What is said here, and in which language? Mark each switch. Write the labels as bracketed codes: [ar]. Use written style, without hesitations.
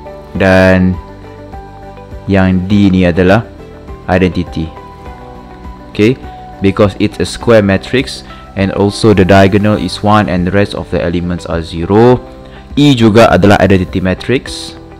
[ms] Dan yang D ni adalah identity. [en] Okay, because it's a square matrix, and also the diagonal is 1 and the rest of the elements are 0. [ms] E juga adalah identity matrix.